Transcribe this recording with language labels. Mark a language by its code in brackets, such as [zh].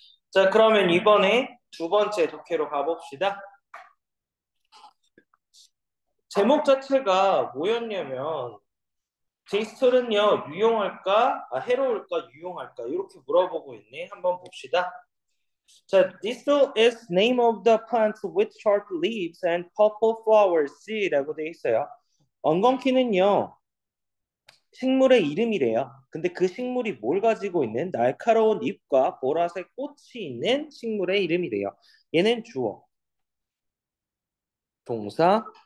[ko] 자, 그러면 이번에 두 번째 독해로 가봅시다. 제목 자체가 뭐였냐면, 제이스톨은요, 해로울까, 유용할까? 이렇게 물어보고 있네. 한번 봅시다. [en] 자, This is name of the plants with short leaves and purple flowers. [ko] 라고 돼 있어요. 엉겅퀴는요, 식물의 이름이래요. 근데 그 식물이 뭘 가지고 있는 날카로운 잎과 보라색 꽃이 있는 식물의 이름이래요. 얘는 주어. 동사.